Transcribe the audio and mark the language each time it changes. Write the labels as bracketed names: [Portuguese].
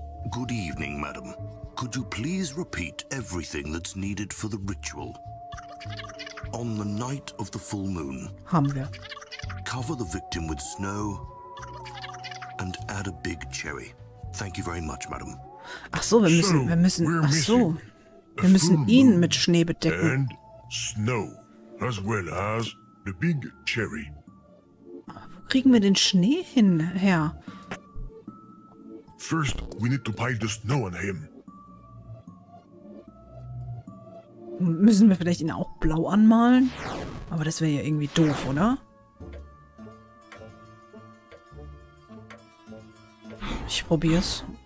[English] Good evening, madam. Could you please repeat everything that's needed for the ritual? On the night of the full moon, Hunger. Cover the victim with snow and add a big cherry. Thank you very much, madam. [German] Ach so, wir müssen ihn mit Schnee bedecken. [English] And snow, as well as the big cherry. [German] Kriegen wir den Schnee hin, Herr? [English] First, we need to pile the snow on him. [German] Müssen wir vielleicht ihn auch blau anmalen? Aber das wäre ja irgendwie doof, oder? Ich probier's.